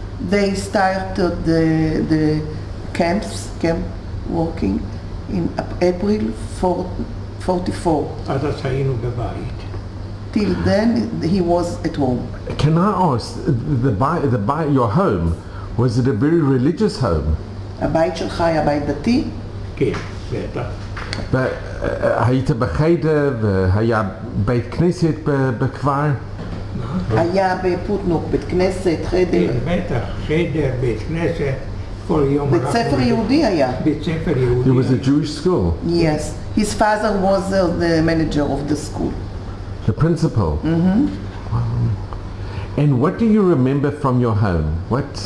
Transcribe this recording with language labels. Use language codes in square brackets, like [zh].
[en] They started the camps, camp working, in April 44. [he] עד אז היינו בבית. [en] Till then he was at home. Can I ask, the your home, was it a very religious home? [he] הבית שלך היה בית דתי? כן, בטח. היית בחדר והיה בית כנסת בכפר? היה בפוטנוק, בית כנסת, חדר. כן, בטח, חדר, בית כנסת, כל יום. בית ספר יהודי היה. בית ספר יהודי. [en] It was a Jewish school. Yes, his father was the manager of the school. The principal? Mm-hmm. Wow. And what do you remember from your home?